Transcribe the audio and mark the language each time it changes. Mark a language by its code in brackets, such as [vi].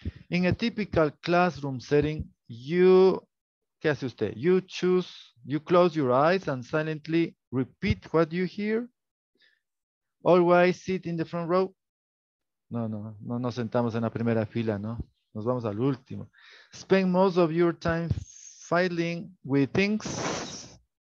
[en] In a typical classroom setting, [es] ¿qué hace usted? [en] You close your eyes and silently repeat what you hear. Always sit in the front row. [es] No nos sentamos en la primera fila, ¿no? Nos vamos al último. [en] Spend most of your time fiddling with things.